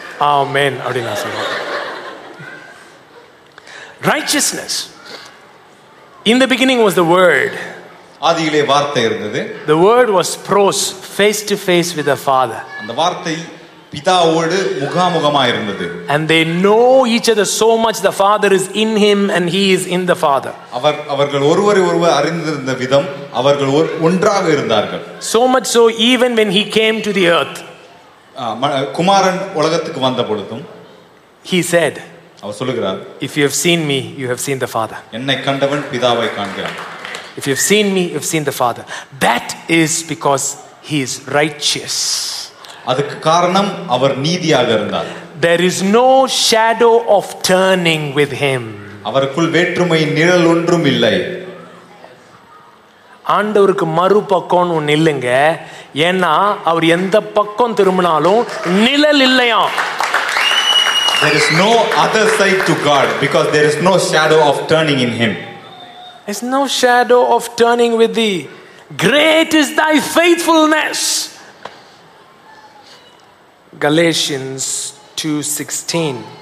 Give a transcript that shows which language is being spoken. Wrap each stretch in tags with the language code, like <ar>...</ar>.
<ta>ஆமென் அப்படின்னு நான் சொல்றேன்.</ta> <en>Righteousness. In the beginning was the word.</en> <ta>ஆதியிலே வார்த்தை இருந்தது.</ta> <en>The word was pros, face to face with the Father.</en> <ta>அந்த வார்த்தை பிதாவோடு முகாமுகமாக இருந்தது.</ta> <en>And they know each other so much, the Father is in him and he is in the Father.</en> <ta>அவர்கள் ஒருவரை ஒருவர் அறிந்திருந்த விதம் அவர்கள் ஒன்றாக இருந்தார்கள்.</ta> <en>So much so, even when he came to the earth,</en> <ta>குமாரன் உலகத்துக்கு வந்த பொழுதும்</ta> <en>he said,</en> <ta>அவர் சொல்கிறார்,</ta> <en>if you have seen me, you have seen the Father.</en> <ta>என்னை கண்டவன் பிதாவை காண்கிறான்.</ta> <en>If you have seen me, you have seen the Father. That is because he is righteous.</en> <ta>அதுக்கு காரணம் அவர் நீதியாக இருந்தார்.</ta> <en>There is no shadow of turning with him.</en> <ta>அவருக்குள் வேற்றுமை நிழல் ஒன்றும் இல்லை. ஆண்டவருக்கு மறுபக்கம்னு ஒண்ணு இல்லைங்க, ஏன்னா அவர் எந்த பக்கம் திரும்பினாலும் நிழல் இல்லையா.</ta> <en>There is no other side to God because there is no shadow of turning in him. There's no shadow of turning with thee. Great is thy faithfulness. Galatians 2:16.</en>